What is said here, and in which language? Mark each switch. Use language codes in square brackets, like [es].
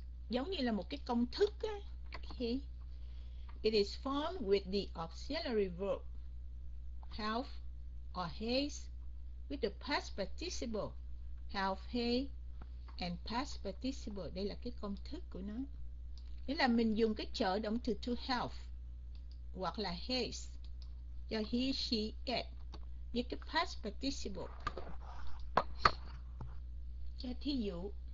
[vi] Giống như là một cái công thức á. [en] Okay. It is formed with the auxiliary verb have or has with the past participle have, has and past participle. [vi] Đây là cái công thức của nó. Nghĩa là mình dùng cái trợ động từ to have hoặc là has cho he, she, it với cái past participle. Cho thí dụ.